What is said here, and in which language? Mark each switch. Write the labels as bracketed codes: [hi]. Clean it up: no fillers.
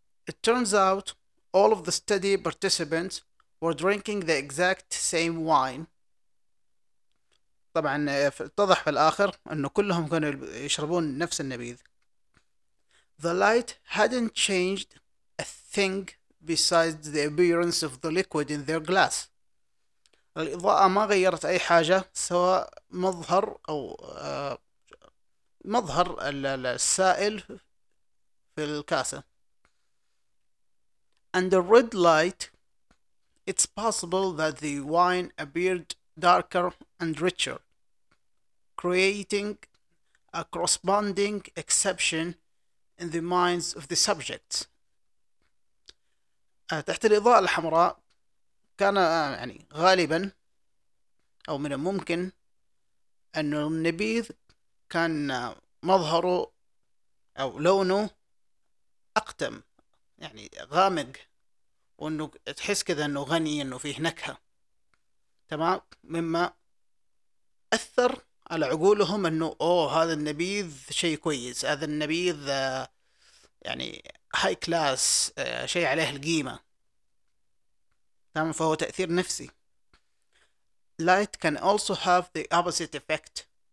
[en] It turns out all of the study participants were drinking the exact same wine. [ar] طبعا اتضح في الآخر أنه كلهم كانوا يشربون نفس النبيذ. [en] The light hadn't changed a thing besides the appearance of the liquid in their glass. [ar] الإضاءة ما غيرت أي حاجة سواء مظهر أو مظهر السائل في الكاسة. [en] And the red light, it's possible that the wine appeared darker and richer, creating a corresponding exception in the minds of the subjects. [ar] تحت الإضاءة الحمراء كان يعني غالبا أو من الممكن أن النبيذ كان مظهره أو لونه أقتم يعني غامق، وأنه تحس كذا أنه غني أنه فيه نكهة، تمام، مما أثر على عقولهم أنه أوه هذا النبيذ شيء كويس، هذا النبيذ يعني [en] high class, [ar] شيء عليه القيمة، فهو تأثير نفسي. [en] Light can also have the opposite effect.